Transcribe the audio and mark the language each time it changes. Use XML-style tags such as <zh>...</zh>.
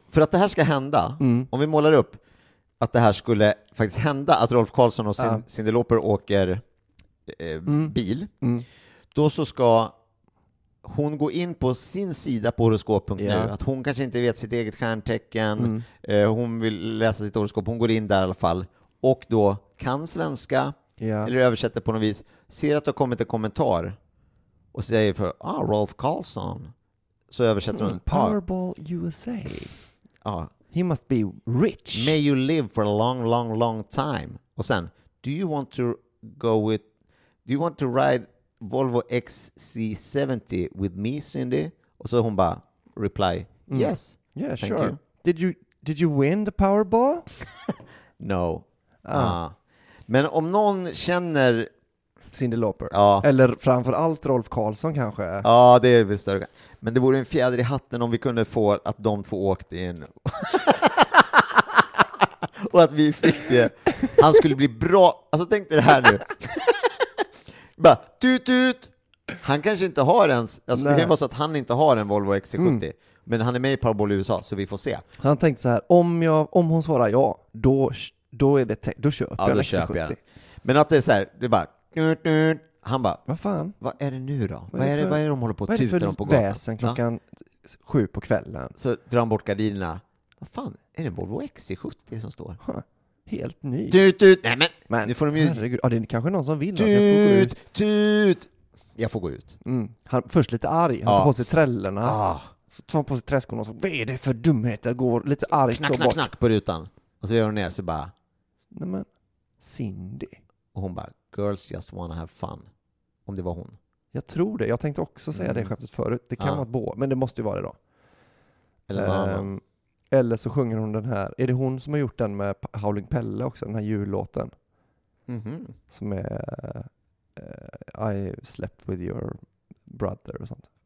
<sv>För att det här ska hända, om vi målar upp att det här skulle faktiskt hända, att Rolf Karlsson och Cyndi Lauper åker bil, då så ska hon gå in på sin sida på horoskop.nu, att hon kanske inte vet sitt eget stjärntecken, hon vill läsa sitt horoskop, hon går in där i alla fall och då kan svenska eller översätter på något vis, ser att det har kommit en kommentar och säger för Rolf Karlsson, så översätter hon</sv> <en>Powerball USA. He must be rich. May you live for a long, long, long time.</en> <sv>Och sen,</sv> <en>do you want to go with, do you want to ride Volvo XC70 with me, Cyndi? Och så hon bara reply, yes. Yeah, thank sure. You. Did you win the Powerball?</en> <sv>No. Men om någon känner Cyndi Lauper, eller framförallt Rolf Karlsson kanske. Ja, det är väl större. Men det vore en fjäder i hatten om vi kunde få att de får åkt in. Och att vi fick det. Han skulle bli bra. Alltså tänk dig det här nu. Bara tut tut. Han kanske inte har ens. Alltså, det kan vara så att han inte har en Volvo XC70. Mm. Men han är med i Powerball i USA, så vi får se. Han tänkte så här, om hon svarar ja, då är det då köper jag en XC70. Men att det är så här, det är bara han bara, vad fan? Vad är det nu då? Vad är det de håller på att tuta dem på gatan? Vad är det för väsen klockan 7 på kvällen? Så drar han bort gardinerna. Vad fan? Är det en Volvo XC70 som står? Helt ny. Tut. Nej men. Nu får de ju... Herregud. Ja, det är kanske någon som vill. Tut. Jag får gå ut. Han först lite arg. Han tar på sig trällorna. Tar på sig träskorna och så, vad är det för dumhet? Det går lite arg. Knack på rutan. Och så gör hon ner så bara. Nej men. Cyndi. Och hon bara,</sv> <en>girls just wanna have fun.</en> <sv>Om det var hon. Jag tror det. Jag tänkte också säga det skämtet förut. Det kan vara ett men det måste ju vara det då. Eller så sjunger hon den här. Är det hon som har gjort den med Howling Pelle också? Den här jullåten. Mm-hmm. Som är</sv> <en>I slept with your brother</en> <sv>och sånt.</sv>